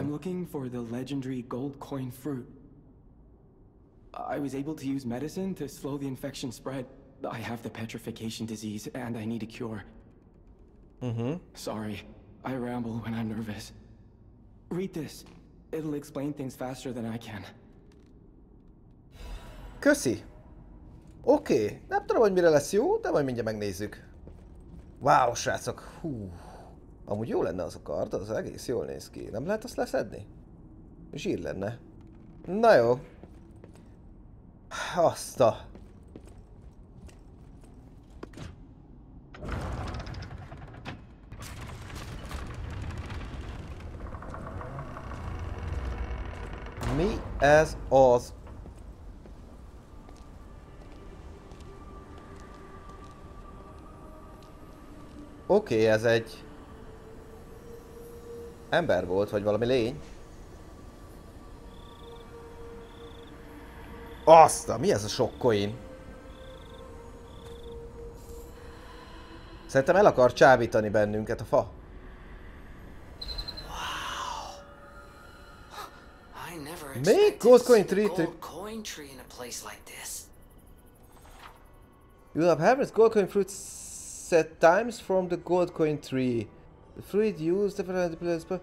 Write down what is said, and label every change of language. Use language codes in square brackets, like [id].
[en] I'm looking for the legendary gold coin fruit. I was able to use medicine to slow the infection spread. I have the petrification disease and I need a cure. Mm-hmm. Sorry, I ramble when I'm nervous. Read this. It'll explain things faster than I can. [hu] Köszi. Oké, nem tudom, hogy mire lesz jó, de majd mindjárt megnézzük. Wow, srácok, hú. Amúgy jó lenne az a kard, az egész jól néz ki. Nem lehet azt leszedni? Zsír lenne. Na jó. Azta. Mi ez az? Oké, ez egy ember volt, vagy valami lény. Azta, mi ez a sok coin? Szerintem el akar csábítani bennünket a fa. Még [en] gold coin tree in a place like this. You have harvested gold coin fruits set times from the gold coin tree. The fruit used for the place.